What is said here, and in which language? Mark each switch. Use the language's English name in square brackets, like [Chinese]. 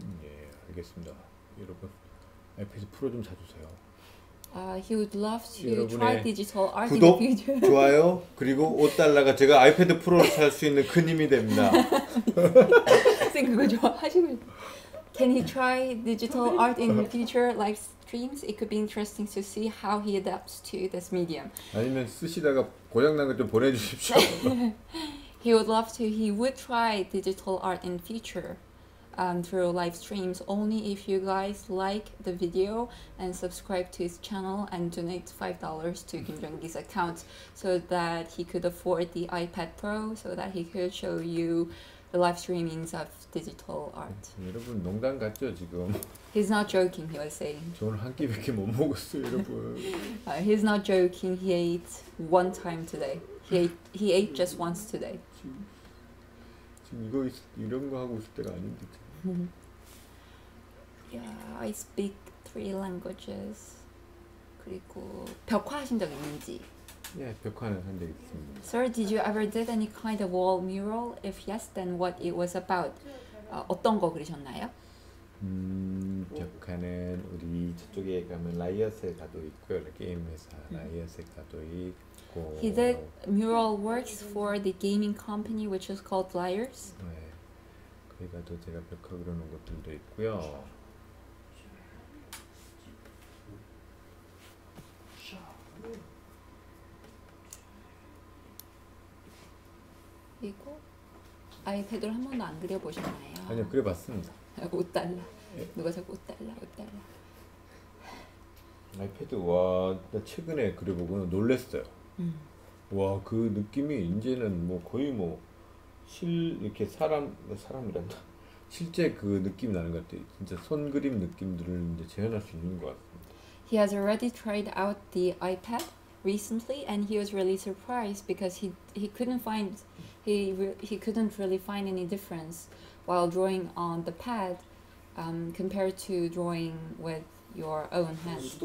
[Korean] 예, 알겠습니다. 여러분 iPad 프로 좀 사주세요. [English] He would love to try digital art. [Korean] 구독, [English] in the future. [Korean] 좋아요. 그리고 5달러가 제가 아이패드 프로를 살 수 있는 큰 힘이 됩니다. 선생님 그거 좋아하시면. [English] Can he try digital art in future live streams? It could be interesting to see how he adapts to this medium. [Korean] 아니면 쓰시다가 고장 난 거 좀 보내주십시오. [English] He would love to. He would try digital art in future. Through live streams only if you guys like the video and subscribe to his channel and donate $5 to Kim Jong-gi's account so that he could afford the iPad Pro so that he could show you the live streamings of digital art. [Korean] 여러분 농담 같죠 지금? [English] He's not joking, he was saying. [Korean] 저는 한 끼밖에 못 먹었어요, 여러분. [English] He's not joking. He ate one time today. He ate just once today. [Korean] 이거 이런 거 하고 있을 때가 아닌데. [English] Yeah, I speak three languages. [Korean] 그리고 벽화 하신 적 있는지? 예, 벽화는 한 적 있습니다. [English] Sir, did you ever did any kind of wall mural? If yes, then what it was about? [Korean] 어떤 거 그리셨나요? 벽화는 우리 저쪽에 가면 라이엇에 가도 있고요. 게임 회사 라이엇에 가도 있고 [English] He did mural works for the gaming company, which is called Liars. [Korean] 네, 거기가도 제가 벽화 그려놓은 것들도 있고요. 이거 아이패드를 한 번도 안 그려보셨나요? 아니요, 그려봤습니다. 5달러. 누가 자꾸 5달러. 아이패드 와, 나 최근에 그려보고 놀랐어요. 와, 그 느낌이 이제는 뭐 거의 뭐 실 이렇게 사람이란다 실제 그 느낌 나는 것 같아요. 진짜 손 그림 느낌들을 이제 재현할 수 있는 것 같습니다. [English] He has already tried out the iPad recently, and he was really surprised because he couldn't really find any difference while drawing on the pad compared to drawing with your own hand.